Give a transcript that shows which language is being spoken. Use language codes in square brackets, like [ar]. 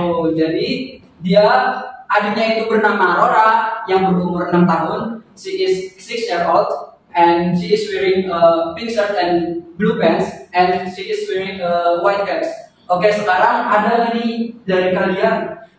[id] Jadi dia adiknya itu bernama Aurora yang berumur 6 tahun. [en] She is 6 years old and she is wearing a pink shirt and blue pants and she is wearing a white cap. [id] Okay, sekarang ada lagi dari kalian.